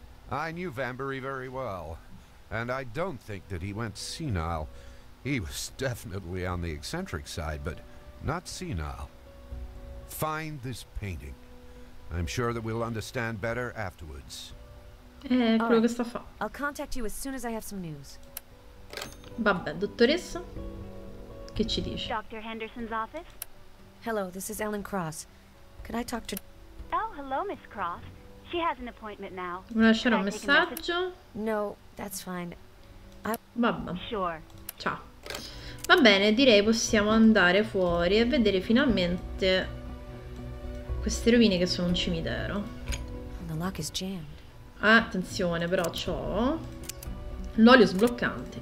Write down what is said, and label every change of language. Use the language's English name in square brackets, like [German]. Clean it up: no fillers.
[English] I knew Vambery very well. And I don't think that he went senile. He was definitely on the eccentric side, but not senile. Find this painting. I'm sure that we'll understand better afterwards. I'll contact you as soon as I have some news. [Italian] Vabbè, dottoressa, che ci dice? [English] Dr. Henderson's office? Hello, this is Ellen Cross. Could I talk to... Oh, hello, Miss Cross. She has an appointment now. [Italian] Vuoi lasciare un messaggio? [English] No, that's fine. [Italian] Vabbè. [English] Sure. [Italian] Ciao. Va bene, direi possiamo andare fuori e vedere finalmente... queste rovine che sono un cimitero. Attenzione, però c'ho l'olio sbloccante.